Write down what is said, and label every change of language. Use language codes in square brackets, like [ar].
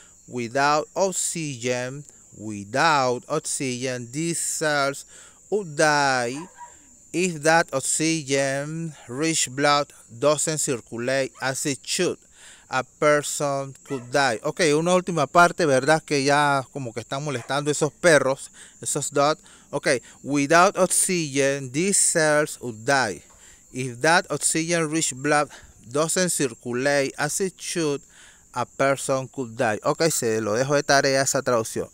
[en] Without oxygen, these cells would die. If that oxygen-rich blood doesn't circulate as it should, a person could die. [es] Ok, una última parte, ¿verdad? Que ya como que están molestando esos perros, esos dogs. [en] Ok, without oxygen, these cells would die. If that oxygen-rich blood doesn't circulate as it should, a person could die. [es] Ok, se lo dejo de tarea esa traducción.